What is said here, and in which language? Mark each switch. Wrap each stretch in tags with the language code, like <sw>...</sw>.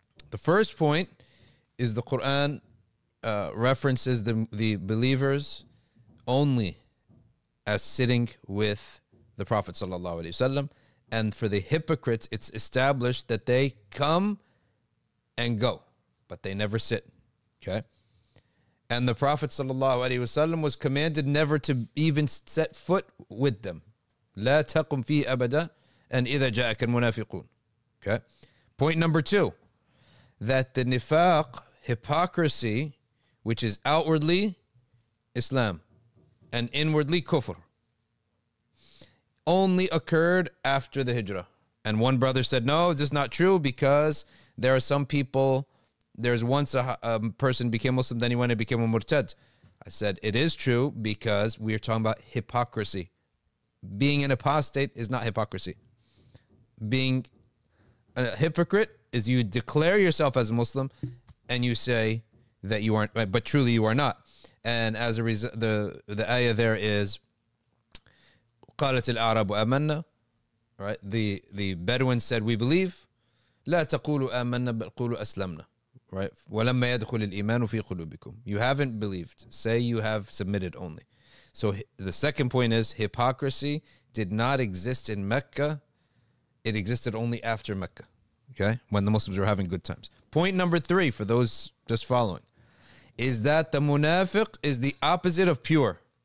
<en>The first point is the Quran references the believers only as sitting with the Prophet sallallahu alaihi wasallam, and for the hypocrites, it's established that they come and go, but they never sit. Okay. And the Prophet sallallahu alaihi wasallam was commanded never to even set foot with them.</en> <ar>لا تقم فيه أبدا أن إذا جاءك المنافقون.</ar> <en>Okay. Point number two, that the nifaq, hypocrisy, which is outwardly Islam and inwardly kufr, only occurred after the hijrah. And one brother said, no, this is not true, because there are some people, there's once a person became Muslim, then he went and became a murtad. I said, it is true, because we are talking about hypocrisy. Being an apostate is not hypocrisy. Being a hypocrite is you declare yourself as a Muslim and you say that you aren't, but truly you are not.</en> <ar>And as a result, the ayah there is, قالت العرب آمنا,</ar> <en>right? The Bedouin said, we believe.</en> <ar>لا تقولوا آمنا بل قولوا أسلمنا,</ar> <en>right?</en> <ar>ولما يدخل الإيمان في قلوبكم,</ar> <en>you haven't believed. Say you have submitted only. So the second point is hypocrisy did not exist in Mecca. It existed only after Mecca, okay? When the Muslims were having good times. Point number three, for those just following, is that the munafiq is the opposite of pure.</en>